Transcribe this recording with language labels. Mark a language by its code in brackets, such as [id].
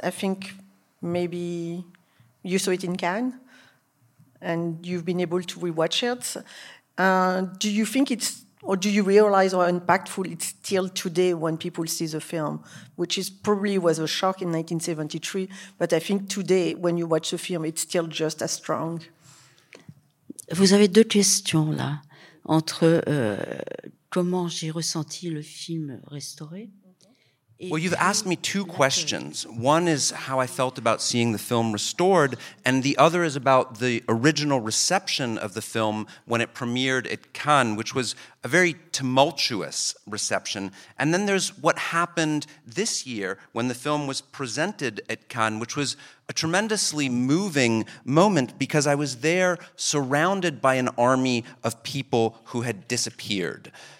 [en] I think maybe you saw it in Cannes, and you've been able to rewatch it. Do you think it's, or do you realize how impactful it's still today when people see the film, which is probably was a shock in 1973, but I think today when you watch the film, it's still just as strong. [fr] Vous avez deux questions là, entre comment j'ai ressenti le film restauré. [en] Well, you've asked me two questions. One is how I felt about seeing the film restored, and the other is about the original reception of the film when it premiered at Cannes, which was a very tumultuous reception. And then there's what happened this year when the film was presented at Cannes, which was a tremendously moving moment because I was there surrounded by an army of people who had disappeared.